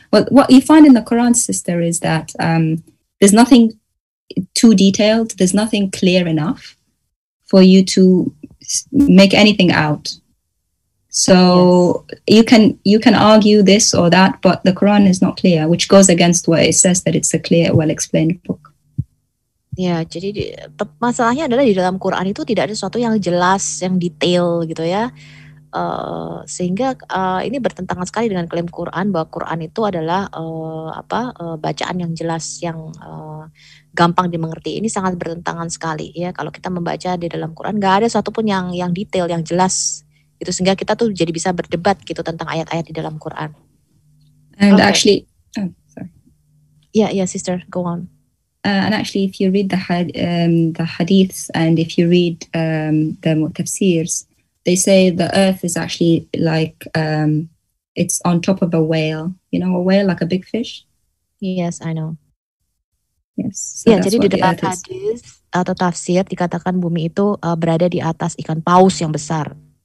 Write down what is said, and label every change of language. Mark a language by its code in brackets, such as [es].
[en] Well, what you find in the Quran, sister, is that there's nothing too detailed. There's nothing clear enough for you to make anything out. So yes. you can argue this or that, but the Quran is not clear, which goes against what it says that it's a clear, well-explained book. [id] Ya, jadi masalahnya adalah di dalam Quran itu tidak ada sesuatu yang jelas, yang detail gitu ya. Sehingga ini bertentangan sekali dengan klaim Quran bahwa Quran itu adalah bacaan yang jelas, yang gampang dimengerti. Ini sangat bertentangan sekali ya, kalau kita membaca di dalam Quran nggak ada satu pun yang detail, yang jelas. Itu sehingga kita tuh jadi bisa berdebat gitu tentang ayat-ayat di dalam Quran. [en] And okay. Actually, sorry. Yeah, sister, go on. And actually, if you read the hadiths and if you read the tafsirs, they say the earth is actually like it's on top of a whale. You know, a whale like a big fish. Yes, I know. Yes. So yeah, [id] jadi di dalam hadis atau tafsir dikatakan bumi itu berada di atas ikan paus yang besar.